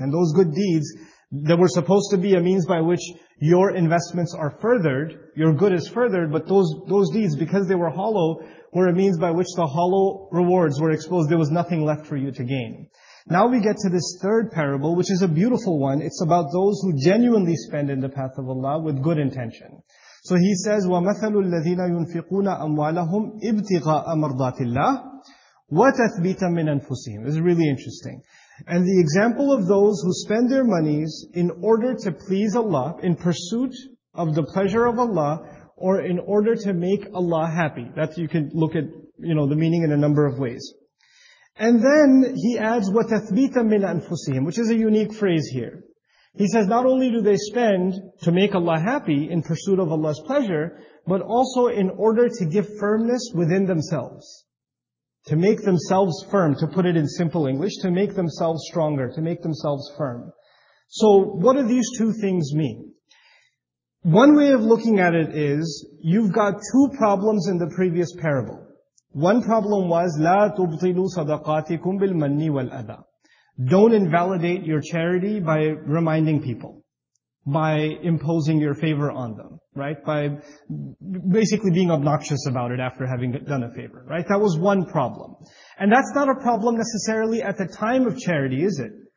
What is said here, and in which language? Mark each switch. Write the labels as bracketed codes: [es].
[en] And those good deeds that were supposed to be a means by which your investments are furthered, your good is furthered, but those deeds, because they were hollow, were a means by which the hollow rewards were exposed. There was nothing left for you to gain. Now we get to this third parable, which is a beautiful one. It's about those who genuinely spend in the path of Allah with good intention. So he says, [ar] وَمَثَلُ الَّذِينَ يُنْفِقُونَ أَمْوَالَهُمْ إِبْتِغَاءَ مَرْضَاتِ اللَّهِ وَتَثْبِيتًا مِنْ أَنفُسِهِمْ. [en] This is really interesting. And the example of those who spend their monies in order to please Allah, in pursuit of the pleasure of Allah, or in order to make Allah happy. That's, you can look at, you know, the meaning in a number of ways. And then he adds, [ar] وَتَثْبِيتًا مِنْ أَنفُسِهِمْ, [en] which is a unique phrase here. He says, not only do they spend to make Allah happy in pursuit of Allah's pleasure, but also in order to give firmness within themselves. To make themselves firm, to put it in simple English, to make themselves stronger, to make themselves firm. So what do these two things mean? One way of looking at it is, you've got two problems in the previous parable. One problem was, [ar] لا تبطلوا صدقاتكم بالمن والأذى. [en] Don't invalidate your charity by reminding people, by imposing your favor on them, right? By basically being obnoxious about it after having done a favor, right? That was one problem. And that's not a problem necessarily at the time of charity, is it?